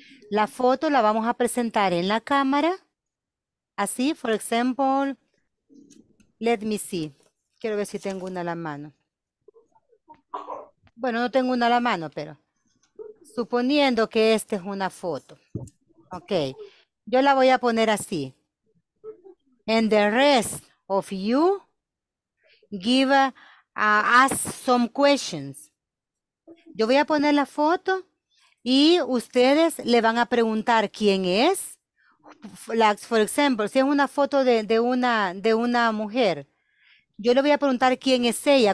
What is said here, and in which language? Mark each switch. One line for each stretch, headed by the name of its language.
Spanish: La foto la vamos a presentar en la cámara. Así,
English: for example, let me see.
Spanish: Quiero ver si tengo una a la mano. Bueno, no tengo una a la mano, pero suponiendo que esta es una foto. Ok, yo la voy a poner así.
English: And the rest of you give ask some questions.
Spanish: Yo voy a poner la foto y ustedes le van a preguntar quién es.
English: Like, for example,
Spanish: si es una foto de una mujer, yo le voy a preguntar quién es ella.